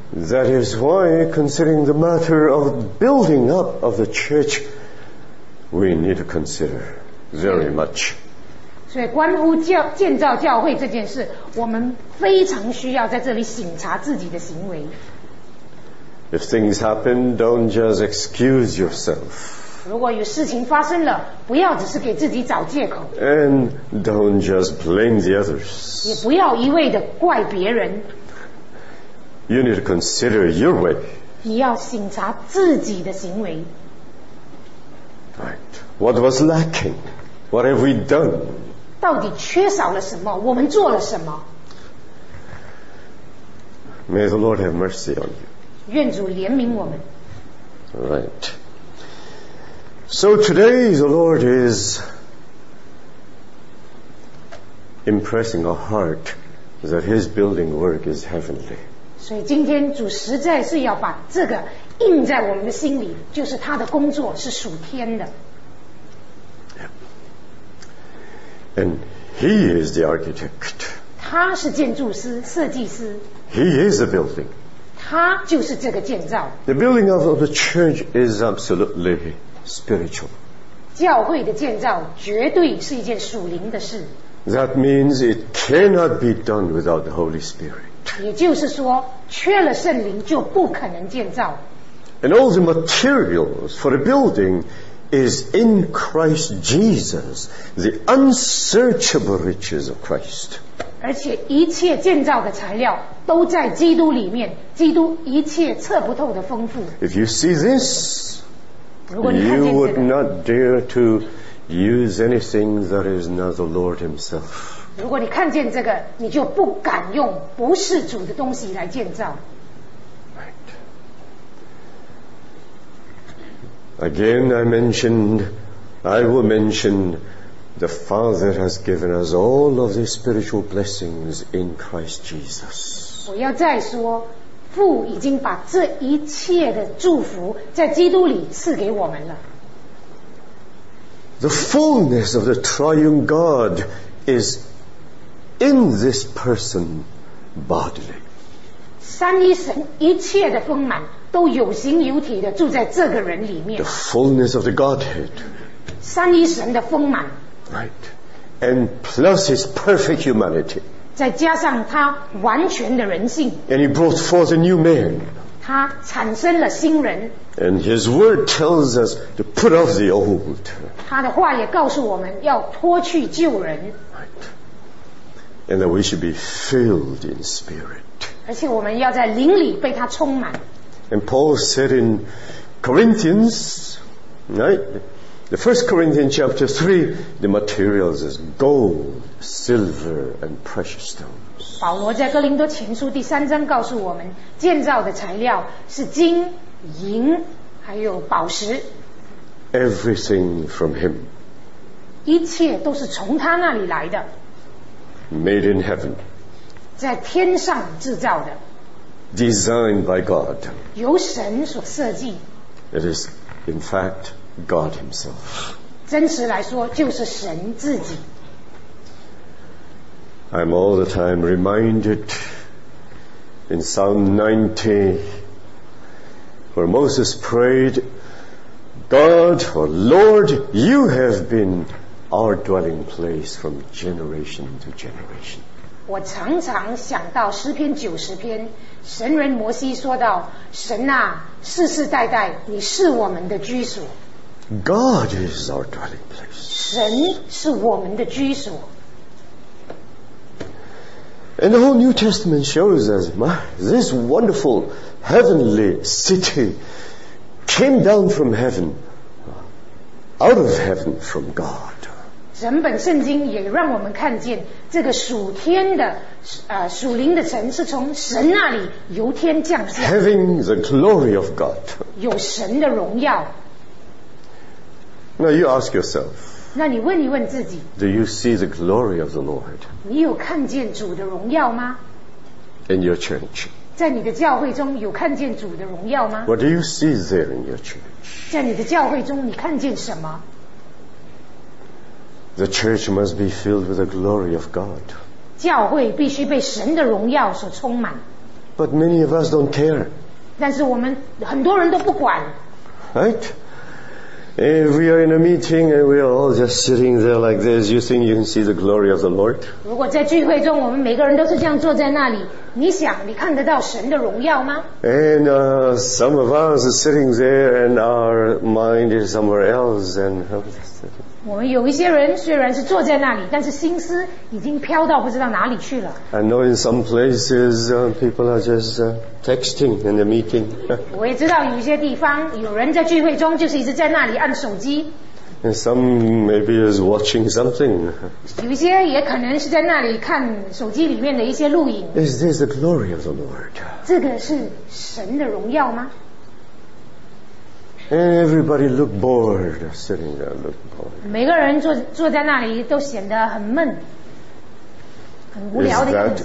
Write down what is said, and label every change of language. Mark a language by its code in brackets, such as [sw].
[en] That is why, considering the matter of building up of the church, we need to consider very much. [zh] 所以关乎建造教会这件事，我们非常需要在这里省察自己的行为。 [en] If things happen, don't just excuse yourself. [zh] 如果有事情发生了，不要只是给自己找借口。 [en] And don't just blame the others. [zh] 也不要一味的怪别人。 [en] You need to consider your way. [zh] 你要省察自己的行为。 [en] Right. What was lacking? What have we done? [zh] 到底缺少了什么？我们做了什么？ [en] May the Lord have mercy on you. [zh] 愿主怜悯我们。 [en] Right. So today the Lord is impressing our heart that his building work is heavenly. [zh] 所以今天主实在是要把这个印在我们的心里，就是他的工作是属天的。 [en] And he is the architect. [zh] 他是建筑师，设计师。 [en] He is the building. [zh] 他就是这个建造。 [en] The building of the church is absolutely spiritual. [zh] 教会的建造绝对是一件属灵的事。 [en] That means it cannot be done without the Holy Spirit. [zh] 也就是说，缺了圣灵就不可能建造。 [en] And all the materials for the building. Is in Christ Jesus, the unsearchable riches of Christ. [zh] 而且一切建造的材料都在基督里面，基督一切测不透的丰富。 [en] If you see this, you would not dare to use anything that is not the Lord Himself. [zh] 如果你看见这个，你就不敢用不是主的东西来建造。 [en] Again, I mentioned, I will mention, the Father has given us all of these spiritual blessings in Christ Jesus. [zh] 我要再说，父已经把这一切的祝福在基督里赐给我们了。 [en] The fullness of the triune God is in this person bodily. [zh] 三一神一切的丰满都有形有体的住在这个人里面。 [en] The fullness of the Godhead. [zh] 三一神的丰满。 [en] Right. And plus his perfect humanity. [zh] 再加上他完全的人性。 [en] And he brought forth a new man. [zh] 他产生了新人。 [en] And his word tells us to put off the old. [zh] 他的话也告诉我们要脱去旧人。 [en] Right. And that we should be filled in spirit. [zh] 而且我们要在灵里被他充满。 [en] And Paul said in Corinthians, right, the first Corinthians chapter 3, the materials is gold, silver, and precious stones. [zh] 保罗在哥林多前书第三章告诉我们，建造的材料是金、银，还有宝石。 [en] Everything from him. [zh] 一切都是从他那里来的。 [en] Made in heaven. [zh] 在天上制造的。 [en] Designed by God. [zh] 由神所设计。 [en] It is, in fact, God Himself. [zh] 真实来说，就是神自己。 [en] I'm all the time reminded in Psalm 90, where Moses prayed, God, or Lord, you have been our dwelling place from generation to generation. [zh] 我常常想到诗篇九十篇，神人摩西说道：“神啊，世世代代你是我们的居所。” [en] God is our dwelling place. [zh] 神是我们的居所。 [en] And the whole New Testament shows us, my, this wonderful heavenly city came down from heaven, out of heaven from God. [zh] 整本圣经也让我们看见这个属天的属灵的城是从神那里由天降下。 [en] Having the glory of God. [zh] 有神的荣耀。 [en] Now you ask yourself. [zh] 那你问一问自己。 [en] Do you see the glory of the Lord? [zh] 你有看见主的荣耀吗？ [en] In your church. [zh] 在你的教会中有看见主的荣耀吗？ [en] What do you see there in your church? [zh] 在你的教会中你看见什么？ [en] The church must be filled with the glory of God. [zh] 教会必须被神的荣耀所充满。 [en] But many of us don't care. [zh] 但是我们很多人都不管。 [en] Right? If we are in a meeting and we are all just sitting there like this, you think you can see the glory of the Lord? [zh] 如果在聚会中我们每个人都是这样坐在那里，你想你看得到神的荣耀吗？ [en] And some of us are sitting there and our mind is somewhere else and... [zh] 我们有一些人虽然是坐在那里，但是心思已经飘到不知道哪里去了。 [en] I know in some places, people are just, texting in the meeting. [zh] 我也知道有些地方有人在聚会中就是一直在那里按手机。 [en] And some maybe is watching something. [zh] 有一些也可能是在那里看手机里面的一些录影。 [en] Is this the glory of the Lord? [zh] 这个是神的荣耀吗？ [en] And everybody look bored, sitting there look bored. [zh] 每个人坐在那里都显得很闷，很无聊的样子。